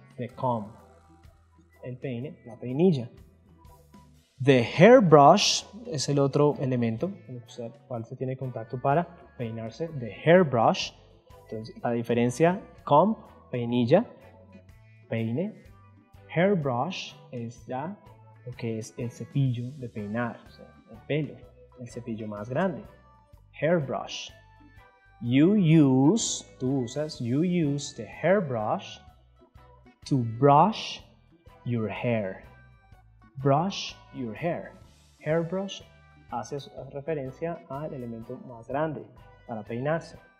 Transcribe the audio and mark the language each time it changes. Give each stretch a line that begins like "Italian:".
English: The comb,
Spanish: el peine, la peinilla.
English: The hairbrush
Spanish: es el otro elemento con el cual se tiene contacto para peinarse.
English: The hairbrush.
Spanish: Entonces, la diferencia: comb, peinilla, peine. Hairbrush es ya lo que es el cepillo de peinar, o sea, el pelo, el cepillo más grande.
English: Hairbrush. You use the hairbrush to brush your hair. Brush your hair.
Spanish: Hairbrush hace referencia al elemento más grande para peinarse.